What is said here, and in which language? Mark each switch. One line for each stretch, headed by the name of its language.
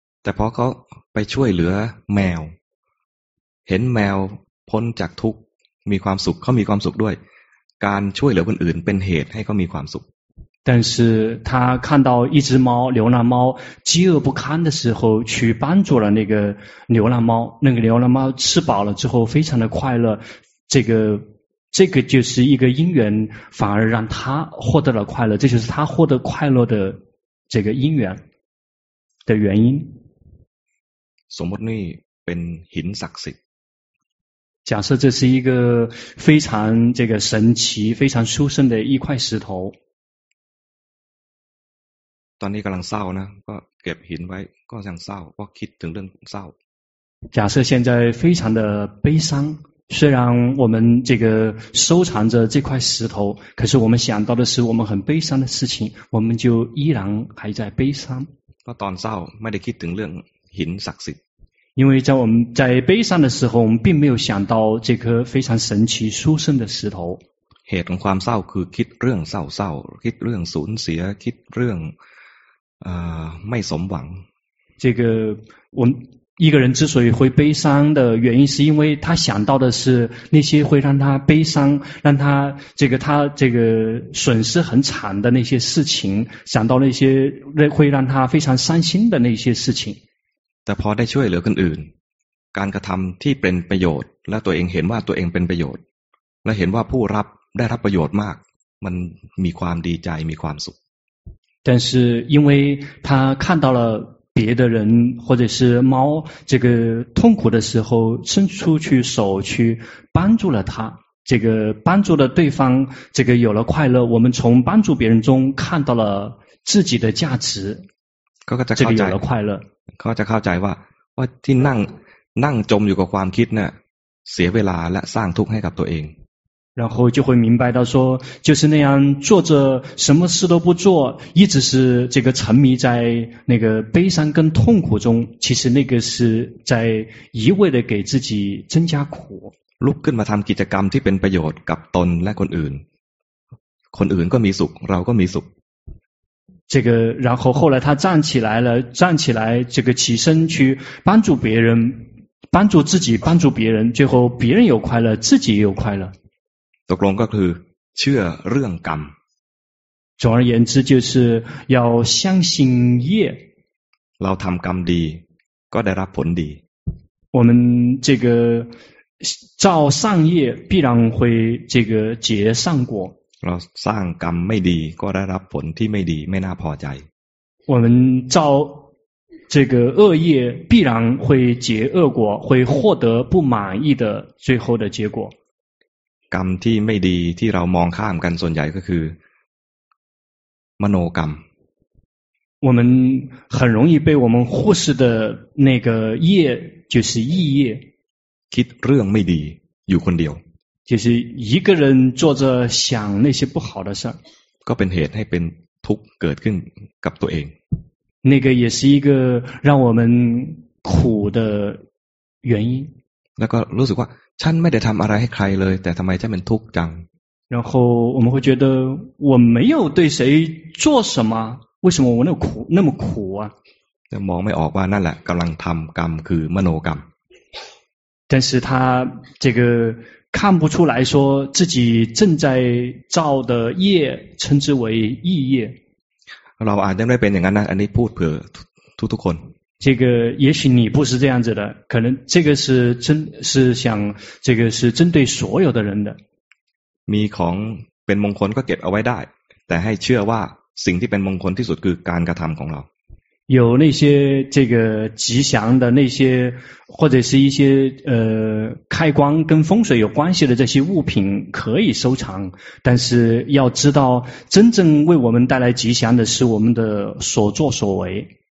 Thai: แต่พอเขาไปช่วยเหลือแมวเห็นแมวพ้นจากทุกข์มีความสุขเขามีความสุขด้วยการช่วยเหลือคนอื่นเป็นเหตุให้เขามีความสุข
Chinese: 但是他看到一只猫流浪猫饥饿不堪的时候去帮助了那个流浪猫那个流浪猫吃饱了之后非常的快乐这个就是一个因缘反而让他获得了快乐这就是他获得快乐的这个因缘的原因
Thai: สมมตินี่เป็นหินศักดิ์สิท
Chinese: ธิ์假设这是一个非常这个神奇非常殊胜的一块石头
Thai: ตอนนี้กำลังเศร้านะก็เก็บหินไว้ก็ยังเศร้าก็คิดถึงเรื่องเศร้า
Chinese: 假设现在非常的悲伤虽然我们这个收藏着这块石头可是我们想到的是我们很悲伤的事情我们就依然还在悲伤
Thai: ก็ตอนเศร้าไม่ได้คิดถึงเรื่องหินศักดิ์สิทธิ์
Chinese: 因为在我们在悲伤的时候我们并没有想到这颗非常神奇殊胜的石头
Thai: เหตุของความเศร้าคือคิดเรื่องเศร้าๆคิดเรื่องสูญเสียคิดเรื่องไม่สมหวัง
Chinese: 这个我们一个人之所以会悲伤的原因是因为他想到的是那些会让他悲伤让他这个他这个损失很惨的那些事情想到那些会让他非常伤心的那些事情
Thai: แต่พอได้ช่วยเหลือคนอื่นการกระทำที่เป็นประโยชน์และตัวเองเห็นว่าตัวเองเป็นประโยชน์และเห็นว่าผู้รับได้รับประโยชน์มากมันมีความดีใจมีความสุข
Chinese: 但是因为他看到了别的人或者是猫这个痛苦的时候伸出去手去帮助了他这个帮助了对方这个有了快乐我们从帮助别人中看到了自己的价值，
Thai: เขาก็จะเข้าใจเขาจะเข้าใจว่าที่นั่งนั่งจมอยู่กับความคิดเนี่ยเสียเวลาและสร้างทุกข์ให้กับตัวเอง
Chinese: 然后就会明白到说就是那样坐着什么事都不做一直是这个沉迷在那个悲伤跟痛苦中其实那个是在一味的给自己增加苦
Thai: ลุกขึ้นมาทำกิจกรรมที่เป็นประโยชน์กับตนและคนอื่นคนอื่นก็มีสุขเราก็มีสุข
Chinese: 这个然后后来他站起来了站起来这个起身去帮助别人帮助自己帮助别人最后别人有快乐自己也有快乐
Thai: ตกลงก็คือเชื่อเรื่องกรรม
Chinese: 总而言之就是要相信业
Thai: เราทำกรรมดีก็ได้รับผลดี
Chinese: 我们这个造善业必然会这个结善果
Thai: เราสร้างกรรมไม่ดีก็ได้รับผลที่ไม่ดีไม่น่าพอใจ
Chinese: 我们造这个恶业必然会结恶果会获得不满意的最后的结果
Thai: กรรมที่ไม่ดีที่เรามองข้ามกันส่วนใหญ่ก็คือมโนกรรม
Chinese: 我们很容易被我们忽视的那个业就是意业
Thai: คิดเรื่องไม่ดีอยู่คนเดียว
Chinese: 就是一个人坐着想那些不好的事
Thai: ก็เป็นเหตุให้เป็นทุกข์เกิดขึ้นกับตัวเอง
Chinese: 那个也是一个让我们苦的原因
Thai: แล้วก็รู้สึกว่าฉันไม่ได้ทำอะไรให้ใครเลยแต่ทำไมฉันเป็นทุกข์จัง
Chinese: 然后我们会觉得我没有对谁做什么为什么我那么苦那么苦啊
Thai: แต่มองไม่ออกว่านั่นแหละกำลังทำกรรมคือมโนกรรม
Chinese: 但是他这个看不出来说自己正在造的业称之为意业
Thai: เราอาจจะไม่เป็นอย่างนั้นนะอันนี้พูดเผื่อทุกๆคน
Chinese: 这个也许你不是这样子的可能这个是真是想这个是针对所有的人的
Thai: มีของเป็นมงคลก็เก็บเอาไว้ได้แต่ให้เชื่อว่าสิ่งที่เป็นมงคลที่สุดคือการกระทำของเรา
Chinese: 有那些这个吉祥的那些或者是一些开光跟风水有关系的这些物品可以收藏但是要知道真正为我们带来吉祥的是我们的所作所为